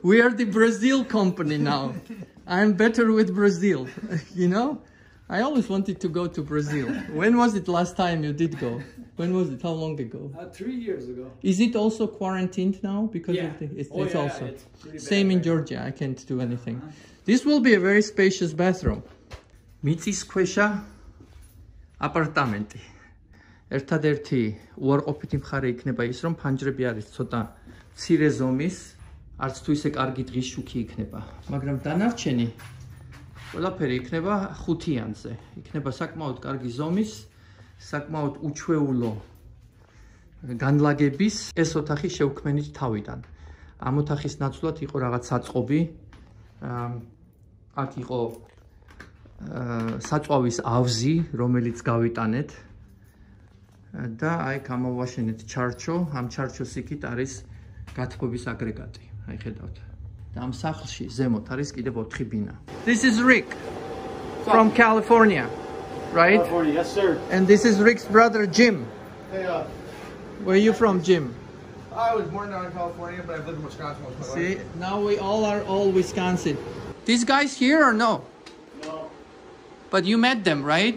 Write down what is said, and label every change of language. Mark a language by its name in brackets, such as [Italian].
[English] We are the Brazil company now. I'm better with Brazil, you know? I always wanted to go to Brazil. When was it last time you did go? When was it? How long ago? 3 years ago. Is it also quarantined now? Because yeah. It's same in Georgia. I can't do anything. This will be a very spacious bathroom. [Georgian] მიწის ქვეშა აპარტამენტი. ერთადერთი უარყოფითი მხარე იქნება ის, რომ ფანჯრები არის ცოტა მცირე ზომის, არც თუ ისე კარგი დღის შუქი იქნება, მაგრამ დანარჩენი ყველაფერი იქნება ხუთიანზე. იქნება საკმაოდ კარგი ზომის, საკმაოდ უჩვეულო განლაგების ეს ოთახი შევქმენით თავიდან. ამ ოთახის ნაცვლად იყო რაღაც საწყობი. აქ იყო საწვავის ავზი, რომელიც გავიტანეთ და აი გამოვაშენეთ ჩარჩო. ამ ჩარჩოს იქით არის გათბობის აგრეგატი. აი ხედავთ. და ამ სახლში ზემოთ არის კიდევ 4 ბინა. [English] This is Rick from California. Right? California, yes sir. And this is Rick's brother Jim. Hey. Where are you from, Jim? I was born down in California, but I've lived in Wisconsin most of my life. See, now we all are all Wisconsin. These guys here or no? But you met them, right?